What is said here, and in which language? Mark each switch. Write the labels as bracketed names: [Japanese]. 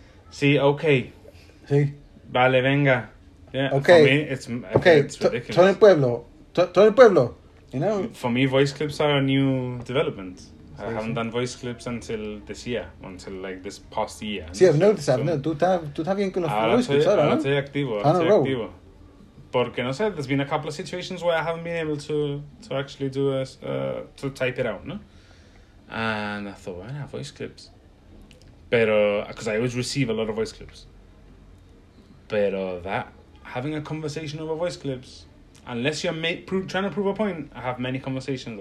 [Spanish] Sí, ok. Sí. Vale, venga. Yeah, [English] okay. For me, it's [Spanish] todo el pueblo. Todo el pueblo. [English] You know? For me, voice clips are a new development. I haven't done voice clips until this year, until like this past year. [Spanish] Sí, [English] I've noticed. [Spanish] Tú estás bien con los voice clips ahora, ¿no? Ahora estoy activo. Porque, no sé, [English] there's been a couple of situations where I haven't been able to actually do to type it out, no? And I thought, well, I have voice clips. Pero, because I always receive a lot of voice clips. Pero that, having a conversation over voice clips, unless you're trying to prove a point, I have many conversations.